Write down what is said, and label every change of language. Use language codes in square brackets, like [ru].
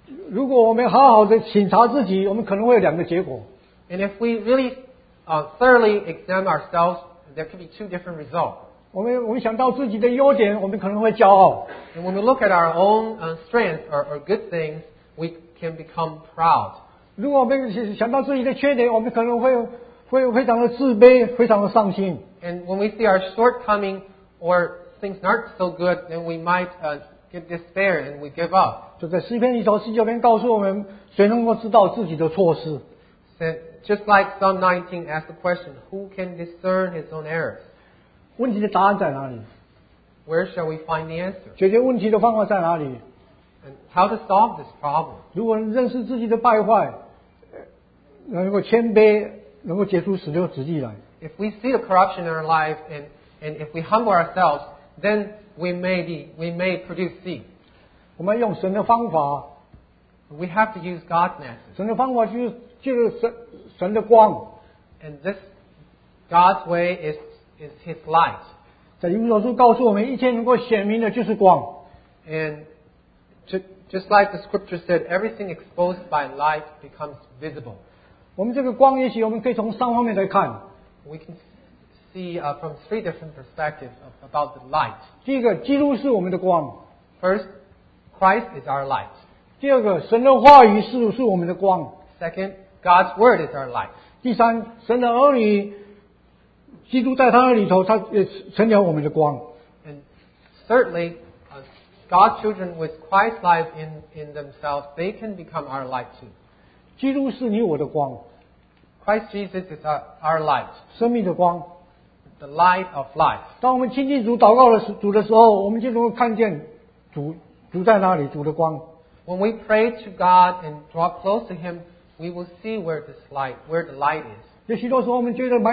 [zh] 如果我们好好的审查自己，我们可能会有两个结果。 [en] And if we really thoroughly examine ourselves， there could be two different results. [zh] 我们想到自己的优点，我们可能会骄傲。 [en] And when we look at our own strengths or good things， we can become proud. [zh] 如果我们想到自己的缺点，我们可能会非常的自卑，非常的伤心。 [en] And when we see our shortcoming or things aren't so good, then we might get despair and we give up. [zh] 就在诗篇一章十九篇告诉我们，谁能够知道自己的错失？ [en] Just like Psalm 19 asked the question, who can discern his own errors? [zh] 问题的答案在哪里？ [en] Where shall we find the answer? [zh] 解决问题的方法在哪里？ [en] And how to solve this problem? [zh] 如果认识自己的败坏， 能够谦卑，能够结出十六节制来。 [en] If we see the corruption in our life and if we humble ourselves, then we may produce seed. [zh] 我们用神的方法， [en] we have to use God's method. [zh] 神的方法就是神的光。 [en] And this God's way is His light. [zh] 在《耶利米书》告诉我们，一切能够显明的就是光。 [en] And just like the scripture said, everything exposed by light becomes visible. [zh] 我们这个光，也许我们可以从三方面来看。 [en] We can see from three different perspectives about the light. [zh] 第一个，基督是我们的光。 [en] First, Christ is our light. [zh] 第二个，神的话语是我们的光。 [en] Second, God's word is our light. [zh] 第三，神的儿女，基督在他那里头，他也成了我们的光。 [en] And certainly, God's children with Christ's life in themselves, they can become our light too. [zh] 基督是你我的光。 [en] Christ Jesus is our light. [zh] 生命的光, [en] the light of life. [zh] 当我们亲近主祷告的时候，我们就能够看见主在哪里，主的光。 [en] When we pray to God and draw close to Him, we will see where this light, where the light is.